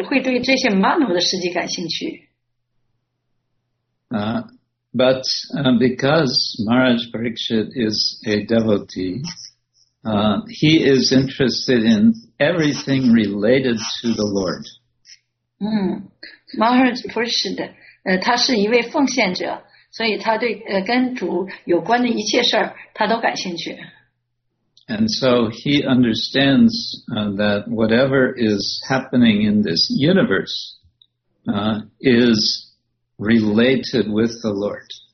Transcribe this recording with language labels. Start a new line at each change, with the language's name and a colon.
Chinese: 我们可能会感到好奇，为什么在为自己死亡做准备的时刻，帕尔西斯王会对这些马努的事迹感兴趣？
English: But because Maharaj Parikshit is a devotee, he is interested in everything related to the Lord.
Chinese: Maharaj Parikshit, 他是一位奉献者，所以他对跟主有关的一切事儿，他都感兴趣。
English: And so he understands that whatever is happening in this universe is related with the Lord.